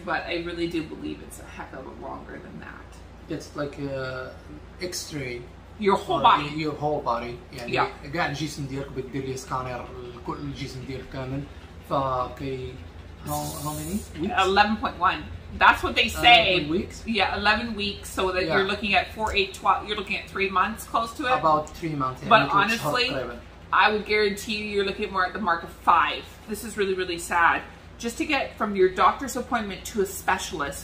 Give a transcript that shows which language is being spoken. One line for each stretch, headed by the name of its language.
English: But I really do believe it's a heck of a longer than that. It's like an x-ray. Your whole body. Your whole body.
Arabic: يعني قاعد الجسم ديالك بدير لي سكانر كل الجسم ديالك كامل.
English: فكي, how many weeks? 11.1. That's what they say. 11 weeks. Yeah, 11 weeks. So that you're looking at 4, 8, 12. You're looking at 3 months, close to it. About 3 months. But honestly, I would guarantee you, you're looking more at the mark of 5. This is really, really sad. Just to get from your doctor's appointment to a specialist.